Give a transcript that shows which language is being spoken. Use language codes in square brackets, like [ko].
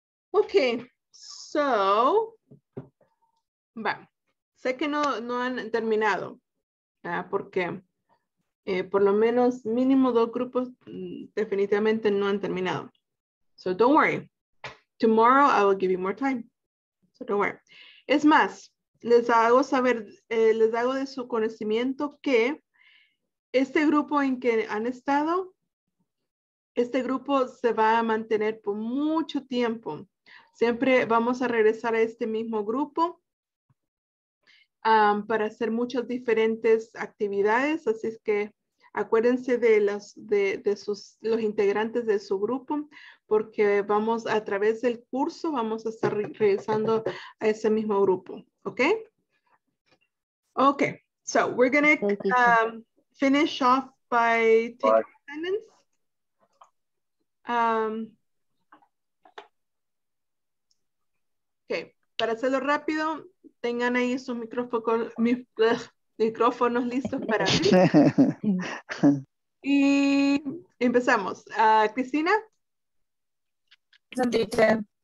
[en] Okay, so, [es] bueno, sé que no han terminado, porque por lo menos mínimo dos grupos definitivamente no han terminado. [en] So don't worry, tomorrow I will give you more time. So don't worry. [es] Es más, les hago saber, les hago de su conocimiento que este grupo en que han estado, este grupo se va a mantener por mucho tiempo. Siempre vamos a regresar a este mismo grupo para hacer muchas diferentes actividades. Así es que acuérdense de los integrantes de su grupo, porque vamos a través del curso, vamos a estar regresando a ese mismo grupo. [en] Okay. Okay. So we're going to finish off by taking attendance. [es] Okay, para hacerlo rápido, tengan ahí sus micrófonos listos para mí. Y empezamos. [en] Cristina. Present, teacher.